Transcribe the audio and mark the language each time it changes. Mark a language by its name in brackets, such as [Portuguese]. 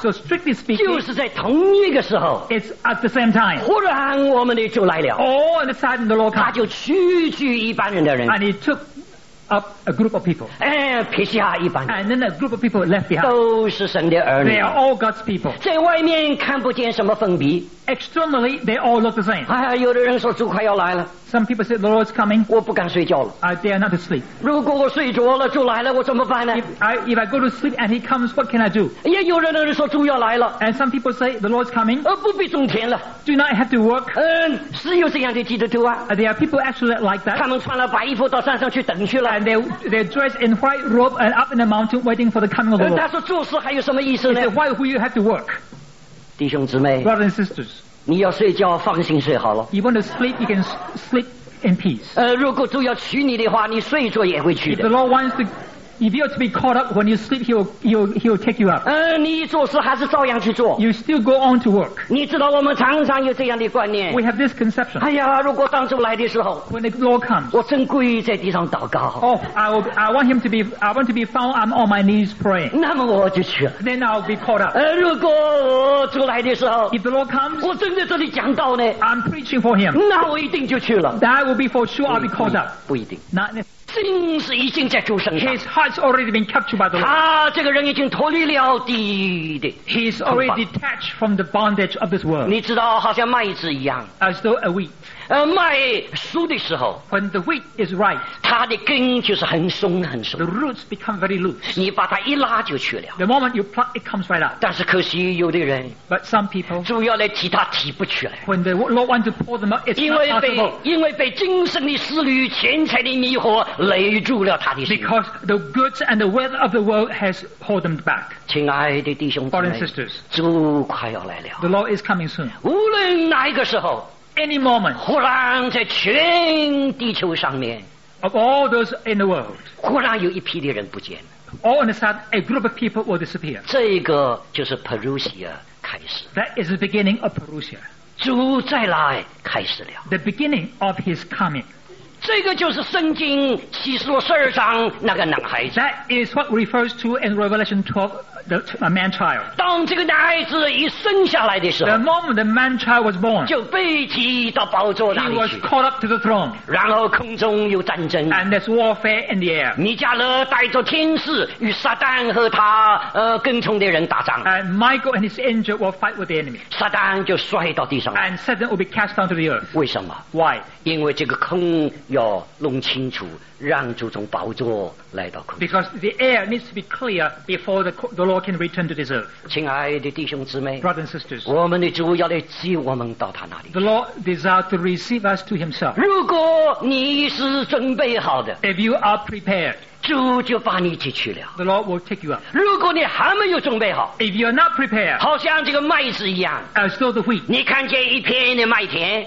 [English] so strictly speaking [Chinese] 就是在同一个时候 [English] it's at the same time [Chinese] 忽然我们的主来了 [English] all of a sudden the Lord comes [Chinese] 他就取去一般人的人 [English] and he took up a group of people [Chinese] 撇下一般人 [English] and then a group of people left behind [Chinese] 都是神的儿女 [English] they are all God's people [Chinese] 在外面看不见什么分别 [English] externally they all look the same [Chinese] 有的人说主快要来了 [English] Some people say the Lord is coming. [Chinese] 我不敢睡觉了。 [English] I dare not to sleep. [Chinese] 如果我睡着了，主来了，我怎么办呢？ [English] If I go to sleep and he comes, what can I do? [Chinese] 也有人说主要来了。 [English] And some people say the Lord is coming. [Chinese] 不必种田了。 [English] Do not have to work. [Chinese] 是有这样的基督徒啊。 [English] There are people actually like that. [Chinese] 他们穿了白衣服到山上去等去了。 [English] And they dressed in white robe and up in the mountain waiting for the coming of the Lord. [Chinese] 他说做事还有什么意思呢？ [English] He said, why will you have to work? [Chinese] 弟兄姊妹。 [English] Brothers and sisters. [Chinese] 你要睡觉，放心睡好了。 [English] You want to sleep, you can sleep in peace. [Chinese] 如果主要娶你的话，你睡着也会娶的。 [English] If the Lord wants to If you are to be caught up when you sleep, he will take you up. [Chinese] 你做事还是照样去做。 [English] You still go on to work. [Chinese] 你知道我们常常有这样的观念。 [English] We have this conception. [Chinese] 哎呀，如果当主来的时候 [English] ，When the Lord comes, [Chinese] 我真跪在地上祷告。 [English] Oh, I want to be found. I'm on my knees praying. [Chinese] 那么我就去了。 [English] Then I'll be caught up. [Chinese] 如果主来的时候 [English] ，If the Lord comes, [Chinese] 我正在这里讲道呢。 [English] I'm preaching for him. [Chinese] 那我一定就去了。 [English] That will be for sure. I'll be caught up. [Chinese] 不一定。 [English] Not necessary. [Chinese] 心是已经在主身上。 [English] His heart's already been captured by the Lord. [Chinese] 他这个人已经脱离了地的。 [English] He's already detached from the bondage of this world. [Chinese] 你知道，好像麦子一样。 [English] As though a wheat. [Chinese] 麦熟的时候。 [English] When the wheat is ripe. [Chinese] 它的根就是很松很松。 [English] The roots become very loose. [Chinese] 你把它一拉就去了。 [English] The moment you pluck, it comes right up. [Chinese] 但是可惜有的人。 [English] But some people. [Chinese] 主要来提他提不起来。 [English] When the Lord wants to pull them up, it's not possible. [Chinese] 因为被今生的思虑、钱财的迷惑。累住了他的心 [English] Because the goods and the wealth of the world has pulled them back. [Chinese] 亲爱的弟兄姊妹 [English] Brothers and sisters, [Chinese] 主快要来了 [English] The Lord is coming soon. [Chinese] 无论哪一个时候 [English] Any moment, [Chinese] 忽然在全地球上面 [English] Of all those in the world, [Chinese] 忽然有一批的人不见 [English] All on a sudden, a group of people will disappear. [Chinese] 这个就是 Parousia 开始 [English] That is the beginning of Parousia. [Chinese] 主再来开始了 [English] The beginning of his coming. [Chinese] 这个就是圣经启示录十二章那个男孩子 [English] That is what refers to in Revelation 12 the man child [Chinese] 当这个男孩子一生下来的时候 [English] The moment the man child was born [Chinese] 就被提到宝座那里去 [English] He was caught up to the throne [Chinese] 然后空中有战争 [English] And there's warfare in the air [Chinese] 米迦勒带着天使与撒旦和他跟从的人打仗 [English] And Michael and his angel will fight with the enemy [Chinese] 撒旦就摔到地上 [English] And Satan will be cast down to the earth [Chinese] 为什么 [English] Why? [Chinese] 因为这个空要弄清楚，让主从宝座来到空中。 [English] Because the air needs to be clear before the Lord can return to this earth. [Chinese] 亲爱的弟兄姊妹 [English] ，Brothers and sisters， [Chinese] 我们的主要来接我们到他那里。 [English] The Lord desires to receive us to Himself. [Chinese] 如果你是准备好的 [English] ，If you are prepared。 [Chinese] 主就把你接去了 [English] The Lord will take you up [Chinese] 如果你还没有准备好 [English] If you are not prepared [Chinese] 好像这个麦子一样 [English] As though the wheat [Chinese] 你看见一片的麦田